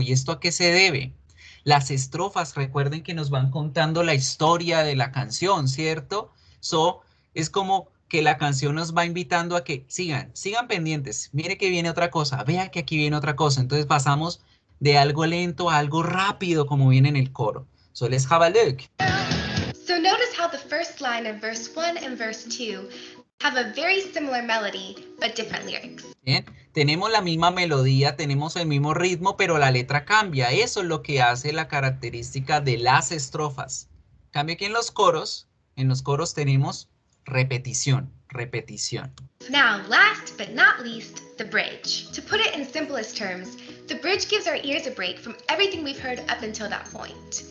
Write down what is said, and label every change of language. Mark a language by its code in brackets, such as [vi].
[es] ¿Y esto a qué se debe? Las estrofas, recuerden que nos van contando la historia de la canción, ¿cierto? So, es como que la canción nos va invitando a que sigan pendientes. Mire que viene otra cosa, vea que aquí viene otra cosa. Entonces pasamos de algo lento a algo rápido, como viene en el coro. [en] So, let's have a look. So, notice how the first line in verse 1 and verse 2 have a very similar melody, but different lyrics. [es] Bien, tenemos la misma melodía, tenemos el mismo ritmo, pero la letra cambia. Eso es lo que hace la característica de las estrofas. Cambia que en los coros tenemos repetición, repetición. [en] Now, last but not least, the bridge. To put it in simplest terms, The bridge gives our ears a break from everything we've heard up until that point.